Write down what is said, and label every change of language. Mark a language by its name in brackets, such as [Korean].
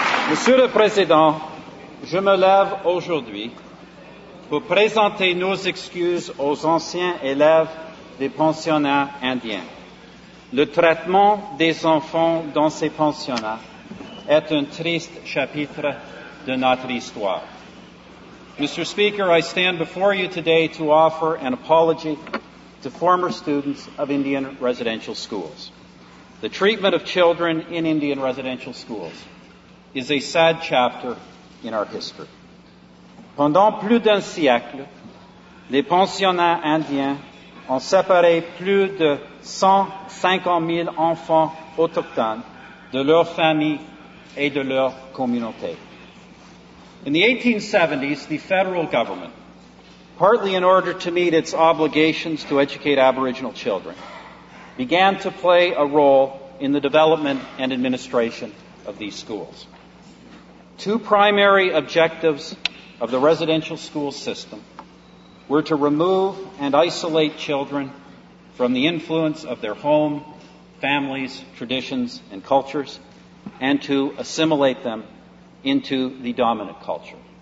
[French] Monsieur le Président, je me lève aujourd'hui pour présenter nos excuses aux anciens élèves des pensionnats indiens. Le traitement des enfants dans ces pensionnats est un triste chapitre de notre histoire. [English] Mr. Speaker, I stand before you today to offer an apology to former students of Indian residential schools. The treatment of children in Indian residential schools is a sad chapter in our history. [French] Pendant plus d'un siècle, les pensionnats indiens ont séparé plus de 150 000 enfants autochtones de leur famille et de leur communauté. [English] In the 1870s, the federal government, partly in order to meet its obligations to educate Aboriginal children, began to play a role in the development and administration of these schools. Two primary objectives of the residential school system were to remove and isolate children from the influence of their home, families, traditions, and cultures, and to assimilate them into the dominant culture.